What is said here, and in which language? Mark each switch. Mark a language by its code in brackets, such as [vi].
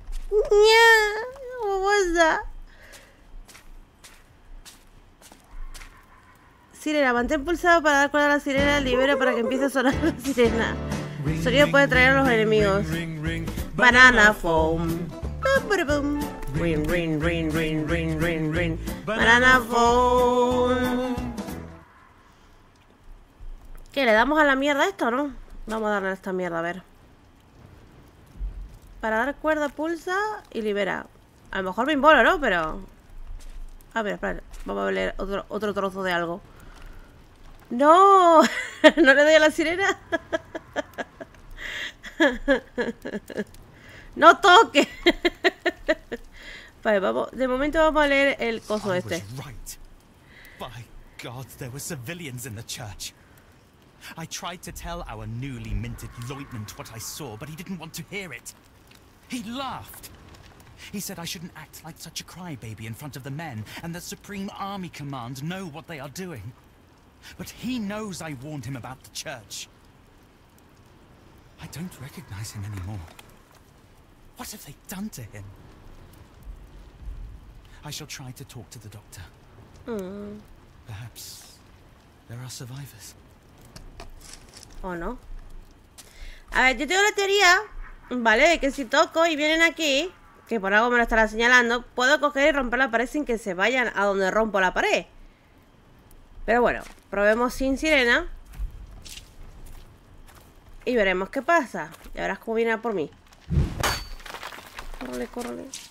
[es] ¡Nya! ¿Cómo vas a? Sirena, mantén pulsado para dar cuerda a la sirena. Libera para que empiece a sonar la sirena. Sonido puede atraer a los enemigos. Banana foam. Ring, ring, ring, ring, ring, ring, ring, ring. Banana foam. ¿Qué? ¿Le damos a la mierda esto o no? Vamos a darle a esta mierda, a ver. Para dar cuerda, pulsa y libera. A lo mejor me involo, ¿no? Pero... A ver, espera. Vamos a leer otro trozo de algo. ¡No! ¿No le doy a la sirena? ¡No toque! Vale, vamos. De momento vamos a leer el coso este. [en] By God, there were civilians in the church. I tried to tell our newly minted lieutenant what I saw, but he didn't want to hear it. He laughed. He said I shouldn't act like such a crybaby in front of the men, and the Supreme Army Command know what they are doing. But he knows I warned him about the church. I don't recognize him anymore. What have they done to him? I shall try to talk to the doctor. Perhaps there are survivors. Oh no. [es] A ver, yo tengo la teoría. Vale, que si toco y vienen aquí, que por algo me lo estará señalando, puedo coger y romper la pared sin que se vayan a donde rompo la pared. Pero bueno, probemos sin sirena. Y veremos qué pasa. Ya verás cómo viene a por mí. Córrele, córrele.